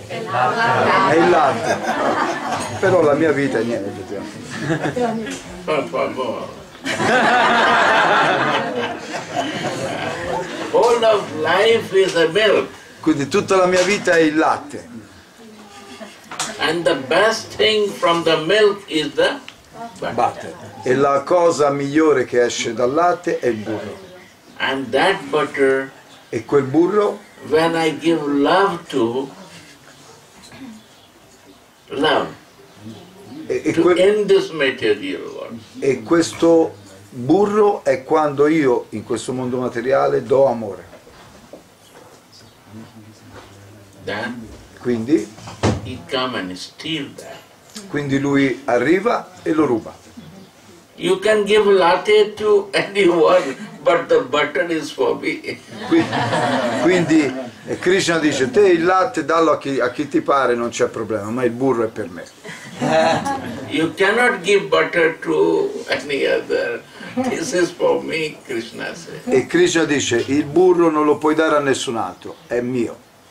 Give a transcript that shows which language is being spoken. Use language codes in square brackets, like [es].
[it] È il latte. È il latte. Però la mia vita è niente. Per favore. [en] All of life is a milk. [it] Quindi tutta la mia vita è il latte. [en] And the best thing from the milk is the butter. Butter. [it] E la cosa migliore che esce dal latte è il burro. [en] And that butter. [it] E quel burro. [en] When I give love to love. [it] E [en] to end this material world. [it] E questo burro è quando io in questo mondo materiale do amore. [en] Then, [it] quindi [en] he come and steal that. [it] Quindi lui arriva e lo ruba. [en] You can give latte to anyone, but the butter is for me. [it] Quindi Krishna dice: te il latte dallo a chi ti pare, non c'è problema, ma il burro è per me. [en] You cannot give butter to any other. This is for me, Krishna says. [it] E Krishna dice: il burro non lo puoi dare a nessun altro, è mio.